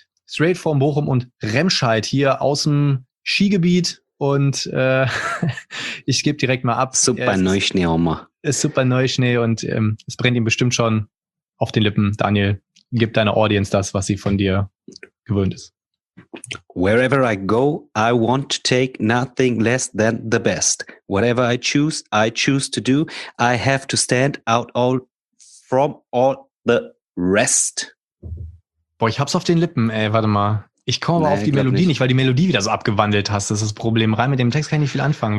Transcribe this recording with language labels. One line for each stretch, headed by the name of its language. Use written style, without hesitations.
English: Straight from
German: Bochum und Remscheid hier aus dem Skigebiet. Und ich gebe direkt mal ab. Super Neuschnee, Oma. Ist super Neuschnee und es brennt ihm bestimmt schon auf den Lippen. Daniel, gib deiner Audience das, was sie von dir gewöhnt ist.
English: Wherever I go, I want to take nothing less than the best. Whatever I choose to do, I have to stand out all from all the rest.
German: Boah, ich hab's auf den Lippen, ey, warte mal. Ich komme aber auf die Melodie nicht, weil die Melodie wieder so abgewandelt hast. Das ist das Problem. Rein mit dem Text kann ich nicht viel anfangen.